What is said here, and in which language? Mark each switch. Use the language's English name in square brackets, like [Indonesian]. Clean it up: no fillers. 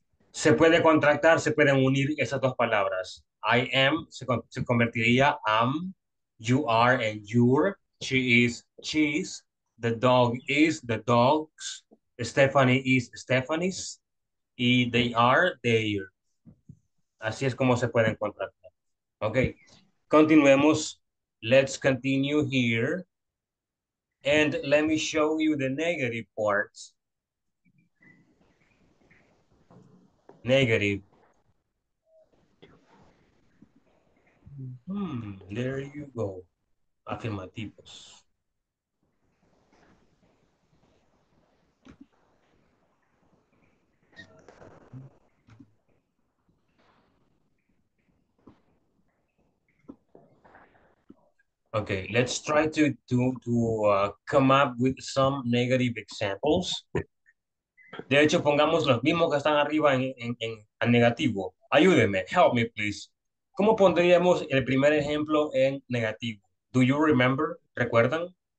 [Spanish] Se puede contractar, se pueden unir esas dos palabras. [English] I am, [Spanish] se convertiría [English] am, you are and you're, she is, she's, the dog is, the dogs, Stephanie is, Stephanie's, y they are, they're. [Spanish] Así es como se pueden contractar. Ok, continuemos. [English] Let's continue here. And let me show you the negative parts. Negative. There you go. Afirmativos. Okay, let's try to come up with some negative examples. [Spanish] De hecho, pongamos los mismos que están arriba en negativo. Ayúdeme, [English] help me, please. [Spanish] ¿Cómo pondríamos el primer ejemplo en negativo? [English] Do you remember? [Spanish] ¿Recuerdan?